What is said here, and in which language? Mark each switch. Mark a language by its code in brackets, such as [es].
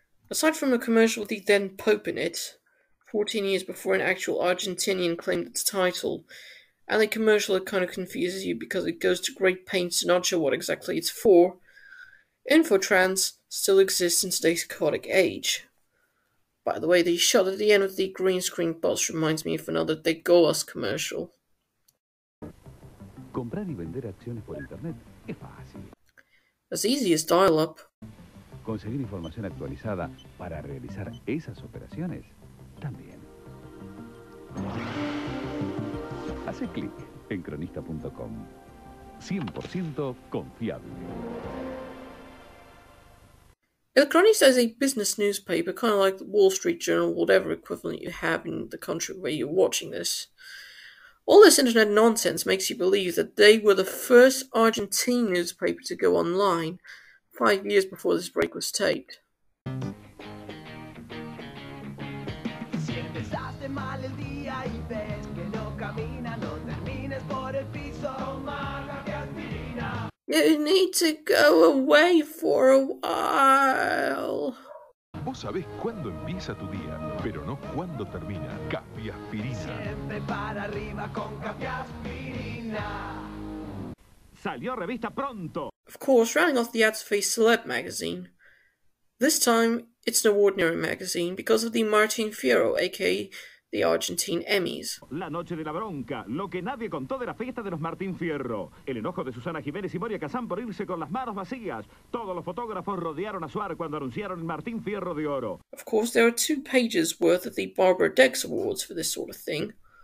[en] Aside from a commercial with the then Pope in it, 14 years before an actual Argentinian claimed its title, and the commercial that kind of confuses you because it goes to great pains to not show what exactly it's for, Infotrans still exists in today's chaotic age. By the way, the shot at the end of the green screen bus reminds me of another They Go Us commercial. [es] Comprar y vender acciones por internet es fácil. [en] As easy as dial-up. [es] Conseguir información actualizada para realizar esas operaciones también. Hace clic en cronista.com. 100% confiable. [en] El Cronista is a business newspaper, kind of like the Wall Street Journal, whatever equivalent you have in the country where you're watching this. All this internet nonsense makes you believe that they were the first Argentine newspaper to go online 5 years before this break was taped. You need to go away for a while. [es] Vos sabés cuándo empieza tu día, pero no cuándo termina. Cafiaspirina. Siempre para arriba con Cafiaspirina. Salió revista pronto. [en] Of course, rounding off the ads of a celeb magazine. This time, it's no ordinary magazine because of the Martín Fierro, aka the Argentine Emmys. [es] La noche de la bronca, lo que nadie contó de la fiesta de los Martín Fierro. El enojo de Susana Jiménez y Moria Casán por irse con las manos vacías. Todos los fotógrafos rodearon a Suar cuando anunciaron el Martín Fierro de Oro. [en] Of course, there are 2 pages worth of the Barbara Dex Awards for this sort of thing.